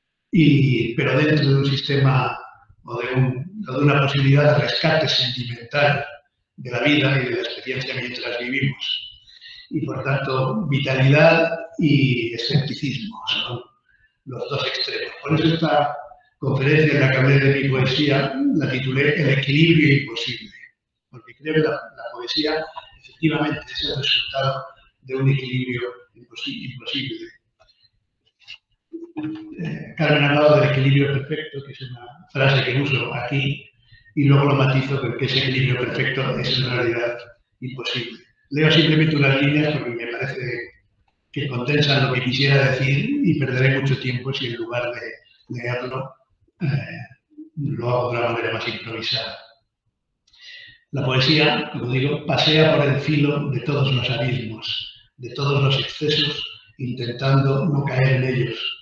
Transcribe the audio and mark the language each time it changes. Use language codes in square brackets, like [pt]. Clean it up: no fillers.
[es] Pero dentro de un sistema o de una posibilidad de rescate sentimental de la vida y de la experiencia mientras vivimos. Y por tanto, vitalidad y escepticismo son los dos extremos. Por eso esta conferencia en la que hablé de mi poesía la titulé El equilibrio imposible, porque creo que la poesía [it] effettivamente sia il risultato di un equilibrio impossibile. Carmen ha parlato dell'equilibrio perfetto, che è una frase che uso a chi, e [es] luego lo matizo [it] perché ese equilibrio perfetto è in realtà impossibile. [es] Leo simplemente unas líneas porque me parece que condensan lo que quisiera decir y perderé mucho tiempo si en lugar de leerlo lo hago de una manera más improvisada. La poesía, como digo, pasea por el filo de todos los abismos, de todos los excesos, intentando no caer en ellos.